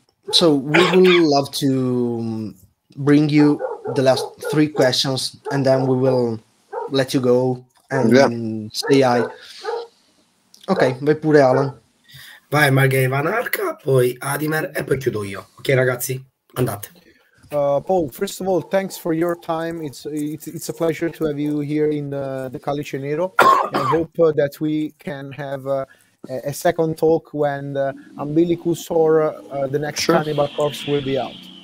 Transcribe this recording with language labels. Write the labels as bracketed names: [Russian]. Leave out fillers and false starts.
[English] So we would love to bring you the last three questions and then we will let you go and say hi. [Italian] Ok, vai pure Alan. Vai Margherita Van Arca, poi Adimer e poi chiudo io. Ok ragazzi, andate. [English] Paul, first of all, thanks for your time. It's a pleasure to have you here in the Calice Nero. I hope that we can have a second talk when the Umbilicus or the next Cannibal Corps will be out.